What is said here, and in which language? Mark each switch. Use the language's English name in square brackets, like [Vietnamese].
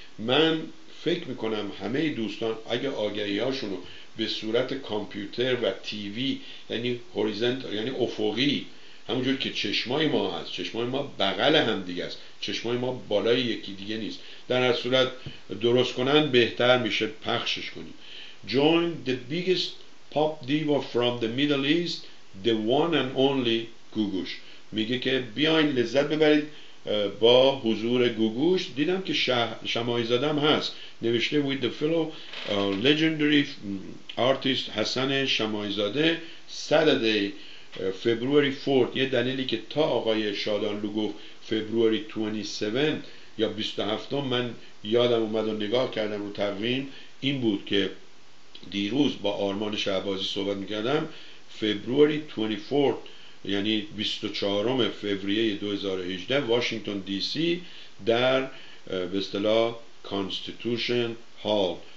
[Persian] من فکر میکنم همه دوستان اگه آگهی هاشونو به صورت کامپیوتر و تیوی، یعنی هوریزنت یعنی افقی، همونجور که چشمای ما هست، چشمای ما بغل هم دیگه است، چشمای ما بالای یکی دیگه نیست، در هر صورت درست کنن بهتر میشه پخشش کنیم. [English] Join the biggest pop diva from the Middle East, the one and only Googoosh. [Persian] میگه که بیاین لذت ببرید با حضور گوگوش. دیدم که شمایی زدم هست، نوشته [English] with the fellow legendary artist [Persian] حسن شمایی زاده Saturday February 4th. یه دلیلی که تا آقای شادانلو گفت February 27 یا 27 من یادم اومد و نگاه کردم رو تقویم، این بود که دیروز با آرمان شهبازی صحبت میکردم February 24th یعنی 24 فوریه 2018 واشنگتن دی سی در به اصطلاح کانستیتوشن هال.